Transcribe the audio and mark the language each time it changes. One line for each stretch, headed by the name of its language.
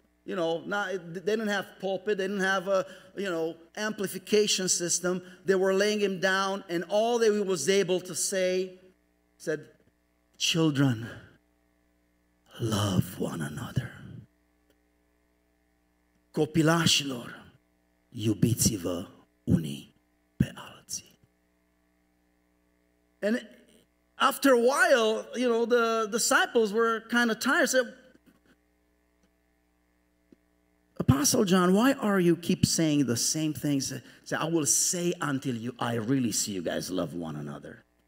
English: You know, not, they didn't have pulpit, they didn't have a, you know, amplification system. They were laying him down, and all that he was able to say said, children, love one another.
Romanian: Copilașilor, iubiți-vă unii pe alții.
English: And after a while, you know, the disciples were kind of tired. Said, Apostle John, why are you keep saying the same things? Say, I will say until I really see you guys love one another.